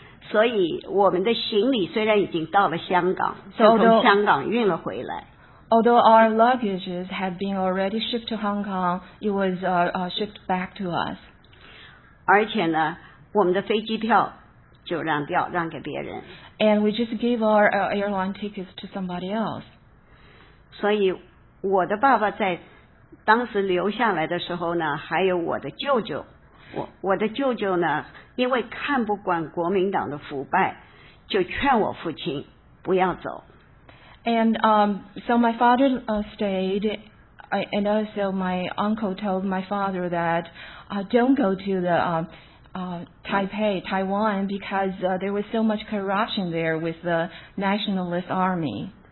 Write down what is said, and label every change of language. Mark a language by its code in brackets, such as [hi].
[zh] 所以我们的行李虽然已经到了香港，就从香港运了回来。 [en] Although our luggages had been already shipped to Hong Kong, it was shipped back to us. [zh] 而且呢，我们的飞机票。就让掉，让给别人。 [en] And we just gave our airline tickets to somebody else. [zh] 所以我的爸爸在当时留下来的时候呢，还有我的舅舅。我的舅舅呢，因为看不惯国民党的腐败，就劝我父亲不要走。 [en] And so my father stayed, and also my uncle told my father that don't go to the Taipei, Taiwan, because there was so much corruption there with the Nationalist Army.